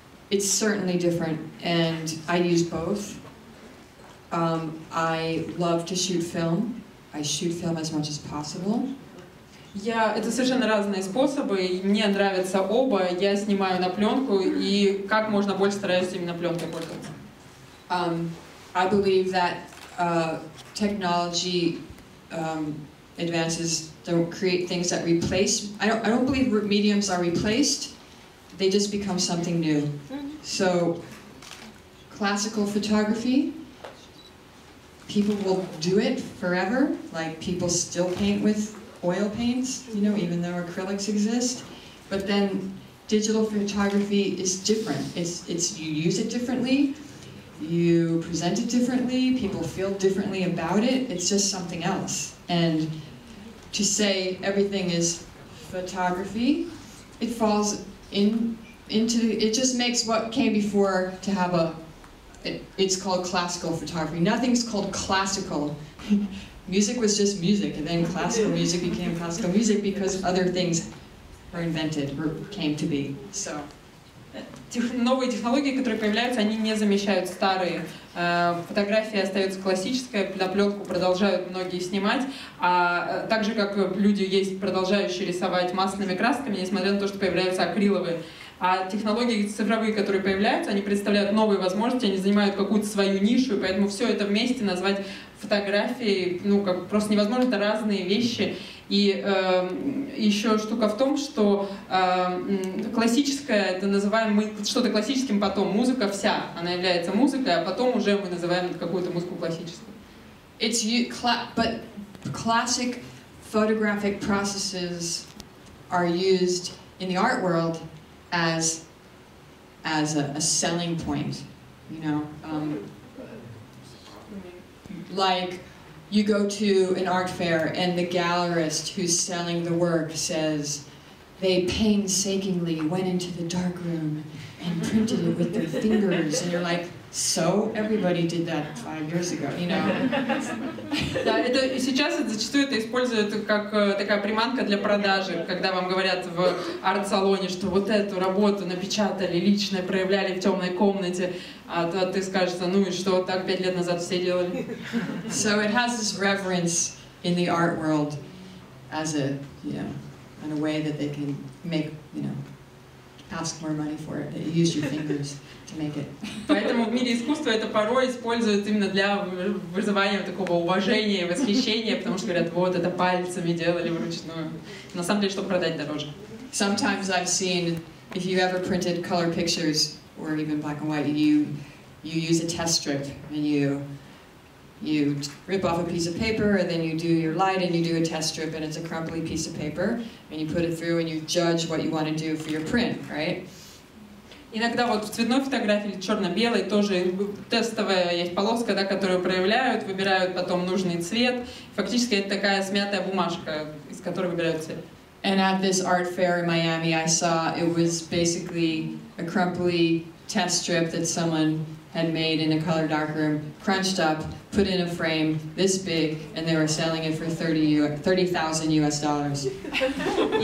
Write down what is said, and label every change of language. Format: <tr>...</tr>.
<en>It's certainly different, and I use both. I love to shoot film. I shoot film as much as possible.</en> <ru>Это совершенно разные способы, мне нравятся оба. Я снимаю на пленку, и как можно больше стараюсь именно пленкой пользоваться.</ru> <en>I believe that technology advances don't create things that replace. I don't believe mediums are replaced. They just become something new. So classical photography, people will do it forever. Like people still paint with oil paints, you know, even though acrylics exist. But then digital photography is different. It's you use it differently. You present it differently, people feel differently about it, it's just something else. And to say everything is photography, it falls into, it just makes what came before to have it's called classical photography. Nothing's called classical. Music was just music, and then classical music became classical music because other things were invented or came to be. So.</en> <ru>Новые технологии, которые появляются, они не замещают старые. Фотография остается классическая, на пленку продолжают многие снимать. А так же, как люди есть продолжающие рисовать масляными красками, несмотря на то, что появляются акриловые. А технологии цифровые, которые появляются, они представляют новые возможности, они занимают какую-то свою нишу, и поэтому все это вместе назвать фотографией, ну, как просто невозможно, это разные вещи. И еще штука в том, что классическое, это называем мы что-то классическим потом, музыка вся, она является музыкой, а потом уже мы называем какую-то музыку классической.</ru> <en>It's but classic photographic processes are used in the art world as a selling point, you know? Like, you go to an art fair and the gallerist who's selling the work says, they painstakingly went into the dark room and printed it with their fingers. And you're like, so? Everybody did that 5 years ago, you know?</en> <ru>Сейчас зачастую это используют как такая приманка для продажи, когда вам говорят в арт-салоне, что вот эту работу напечатали лично, проявляли в темной комнате. А то ты скажешь, ну и что, так 5 лет назад все делали.</ru> <en>So it has this reverence in the art world as a, you know, in a way that they can make, you know, ask more money for it, that you use your fingers to make it.</en> <ru>Поэтому в мире искусства это порой используют именно для вызывания такого уважения, восхищения, потому что говорят, вот это пальцами делали вручную. На самом деле, чтобы продать дороже.</ru> <en>Sometimes I've seen, if you ever printed color pictures, or even black and white, you use a test strip, and you rip off a piece of paper, and then you do your light, and you do a test strip, and it's a crumbly piece of paper, and you put it through, and you judge what you want to do for your print, right?</en> <ru>Иногда вот в цветной фотографии или черно-белой тоже тестовая есть полоска, да, которую проявляют, выбирают потом нужный цвет. Фактически это такая смятая бумажка, из которой выбирают цвет.</ru> <en>And at this art fair in Miami, I saw it was basically a crumply test strip that someone had made in a color darkroom, crunched up, put in a frame this big, and they were selling it for $30,000.</en>